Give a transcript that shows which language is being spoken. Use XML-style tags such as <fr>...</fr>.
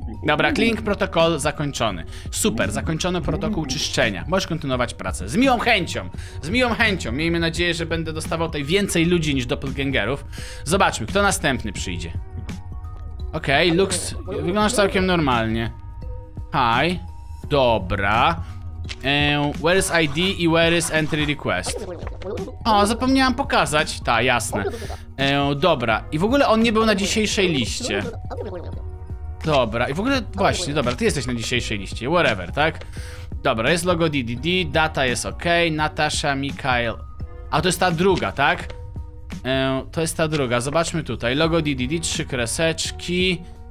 <pl>Dobra, clean protokół zakończony. Super, zakończony protokół czyszczenia. Możesz kontynuować pracę. Z miłą chęcią. Z miłą chęcią. Miejmy nadzieję, że będę dostawał tutaj więcej ludzi niż doppelgangerów. Zobaczmy, kto następny przyjdzie. Okej,</pl> <en>okay, looks...</en> <pl>Wyglądasz całkiem normalnie. Hi. Dobra.</pl> <en>Where is ID i where is entry request?</en> <pl>O, zapomniałam pokazać. Ta, jasne. Dobra. I w ogóle on nie był na dzisiejszej liście. Dobra, i w ogóle, właśnie, dobra, ty jesteś na dzisiejszej liście, whatever, tak? Dobra, jest logo DDD, data jest okej, okay, Natasha, Mikael. A to jest ta druga, tak? To jest ta druga, zobaczmy tutaj, logo DDD, trzy kreseczki.</pl>